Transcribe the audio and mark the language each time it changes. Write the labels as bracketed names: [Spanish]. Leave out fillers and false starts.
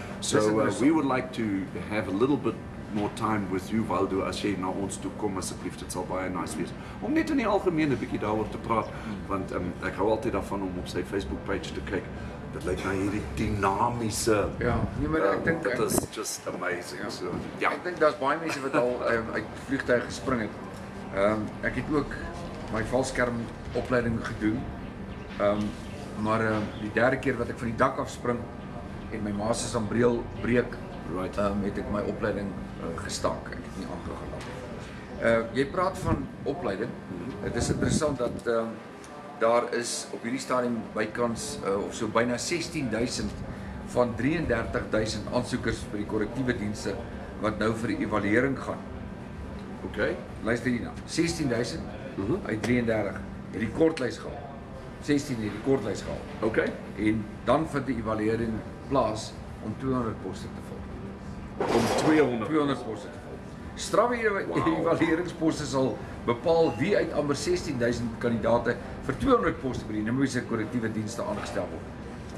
[English] So we would like to have a little bit more time with you, Waldo, [Afrikaans] as jy na ons toe kom asseblief, dit sal baie nice wees. Om net in die algemeen 'n bietjie daaroor te praat, want ek hou altyd daarvan om op sy Facebook page te kyk. Dit lyk na hierdie dinamiese. Ja, nee, maar ek dink dit is just amazing. Ja, so, ja. Ek dink daar's baie mense wat al uit vliegtuig gespring het. Ek het ook my valskerm opleiding gedoen. Maar die derde keer wat ek van die dak af spring en my ma se sambreel breek, [English] right. [Afrikaans] Het ek my opleiding gestak. Ek het nie aangegaan. Jy praat van opleiding. Dit is interessant dat daar is op hierdie stadium bykans of so byna 16,000 van 33,000 aansoekers vir die korrektiewe dienste wat nou vir die evaluering gaan. [English] OK, [Afrikaans] luister hierna. 16,000 uit 33 het die kortlys gehaal. 16 het die kortlys gehaal. [English] OK, [Afrikaans] en dan vir die evaluering plaas om 200 poste te vul. Om 200 poste te vul. Strawwe evalueringsposte sal bepaal wie uit amper 16,000 kandidate vir 200 poste by die Namibiese korrektiewe dienste aangestel word.